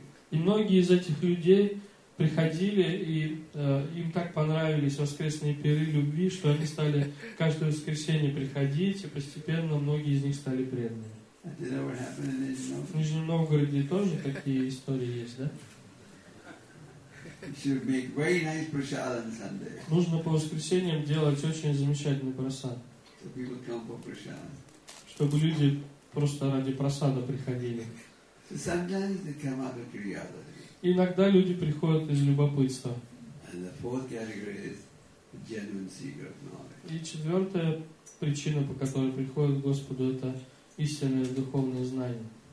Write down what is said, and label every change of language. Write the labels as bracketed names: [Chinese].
[Russian] И многие из этих людей приходили, и им так понравились воскресные пиры любви, что они стали каждое воскресенье приходить, и постепенно многие из них стали преданными. В Нижнем Новгороде тоже такие истории есть, да? [English] You should make very nice prasad on Sunday. [Russian] Нужно по воскресеньям делать очень замечательный прасад. [English] So people come for prasad. [Russian] Чтобы люди просто ради прасада приходили. [English] So sometimes they come out of curiosity. [Russian] Иногда люди приходят из любопытства. [English] And the fourth category is the genuine seeker of knowledge. [Russian] И четвертая причина, по которой приходят к Господу, это истинное духовное знание.